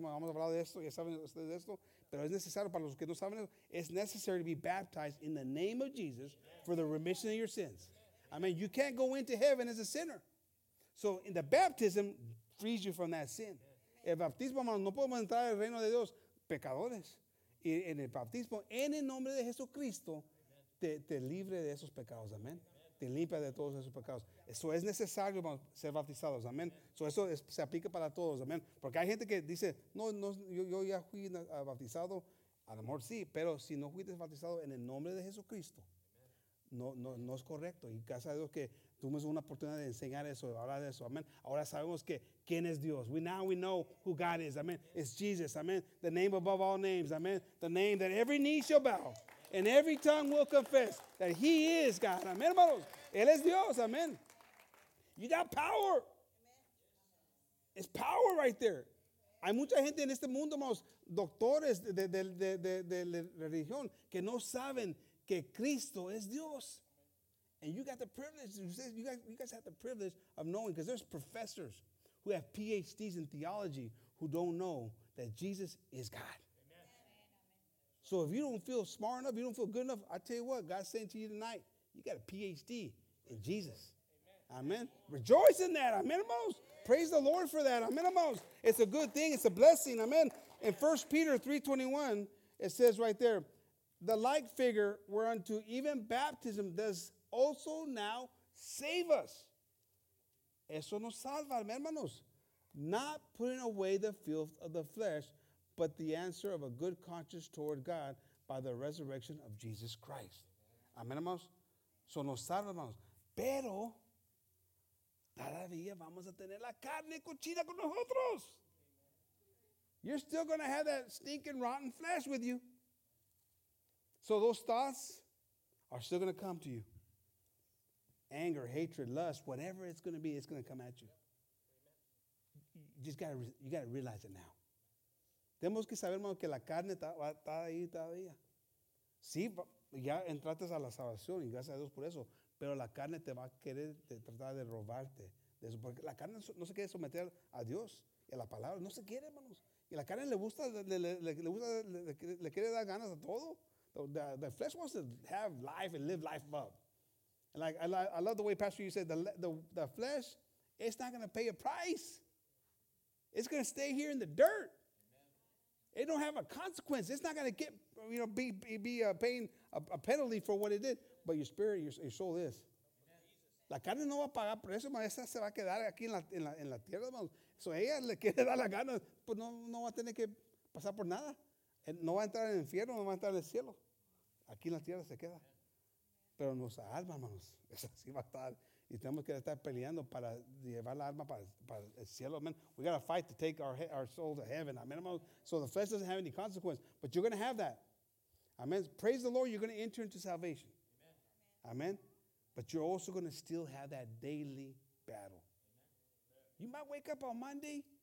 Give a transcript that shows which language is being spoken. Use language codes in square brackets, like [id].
[es] Vamos a hablar de esto. Ya saben ustedes esto. Pero es necesario para los que no saben esto. [en] It's necessary to be baptized in the name of Jesus. Amen. For the remission of your sins. Amen. Amen. You can't go into heaven as a sinner. So in the baptism frees you from that sin. [es] Amen. El bautismo, hermanos, no podemos entrar al reino de Dios, pecadores. Y en el bautismo, en el nombre de Jesucristo, te libre de esos pecados, amén. Te limpia de todos esos pecados. Eso es necesario, hermanos, ser bautizados, amén. Eso es, se aplica para todos, amén. Porque hay gente que dice, yo ya fui bautizado, a lo mejor sí, pero si no fuiste bautizado en el nombre de Jesucristo, no es correcto. Y gracias a Dios que tuvimos una oportunidad de enseñar eso, de hablar de eso, amén. Ahora sabemos que quién es Dios. [en] Now we know who God is, amén. It's Jesus, amén. The name above all names, amén. The name that every knee shall bow and every tongue will confess that he is God, amén, hermanos. [es] Él es Dios, [en] amén. You got power. It's power right there. [es] Hay mucha gente en este mundo, hermanos, doctores de religión que no saben que Cristo es Dios. [en] And you got the privilege, you guys have the privilege of knowing, because there's professors who have PhDs in theology who don't know that Jesus is God. Amen. So if you don't feel smart enough, you don't feel good enough, I tell you what, God's saying to you tonight, you got a PhD in Jesus. Amen. Amen. Rejoice in that, amen, hermanos. Praise the Lord for that, amen, hermanos. It's a good thing, it's a blessing, amen. In 1 Peter 3:21, it says right there, the like figure whereunto even baptism does also now save us. [es] Eso nos salva, hermanos. [en] Not putting away the filth of the flesh, but the answer of a good conscience toward God by the resurrection of Jesus Christ. [es] Amén, hermanos. Eso nos salva, hermanos. Pero todavía vamos a tener la carne cochina con nosotros. [en] You're still going to have that stinking rotten flesh with you. So those thoughts are still going to come to you. Anger, hatred, lust, whatever it's going to be, it's going to come at you. You got to realize it now. [es] Tenemos que saber, hermano, que la carne está ahí todavía. Sí, ya entraste a la salvación y gracias a Dios por eso, pero la carne te va a querer tratar de robarte de eso, porque la carne no se quiere someter a Dios y a la palabra, no se quiere, hermanos. Y la carne le quiere dar ganas a todo. [en] The flesh wants to have life and live life above. Like I love the way Pastor you said the flesh, it's not going to pay a price. It's going to stay here in the dirt. Amen. It don't have a consequence. It's not going to get paying a penalty for what it did. But your spirit, your soul is. [es] La carne no va a pagar por eso, esa se va a quedar aquí en la tierra, hermanos. So ella le quiere dar la gana, pues no va a tener que pasar por nada. No va a entrar en el infierno, no va a entrar en el cielo. Aquí en la tierra se queda. Pero nos alma, hermanos. Es así va a estar. Y tenemos que estar peleando para llevar la alma para el cielo. Amen. [en] We got to fight to take our soul to heaven. Amen, hermanos. So the flesh doesn't have any consequence. But you're going to have that. Amen. Praise the Lord. You're going to enter into salvation. Amen. But you're also going to still have that daily battle. You might wake up on Monday